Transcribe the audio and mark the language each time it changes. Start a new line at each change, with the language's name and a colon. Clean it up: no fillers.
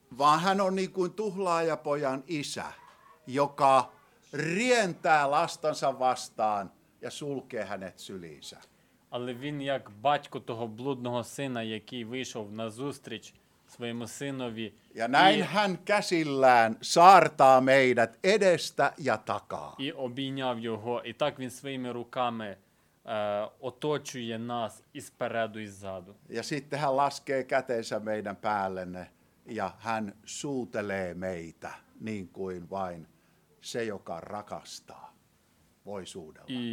Finnish: Vaan hän on niin kuin tuhlaajapojan isä, joka rientää lastansa vastaan ja sulkee hänet syliinsä.
Ukrainian: Але він як батько того блудного сина, який вийшов на зустріч своєму синові.
Finnish: Ja näin hän käsillään saartaa meidät edestä ja takaa.
Ukrainian: І обійняв його, і так він своїми руками оточує нас і спереду, і ззаду.
Finnish: Ja sitten hän laskee käteensä meidän päällenne. Ja hän suutelee meitä niin kuin vain se, joka rakastaa, voi suudella.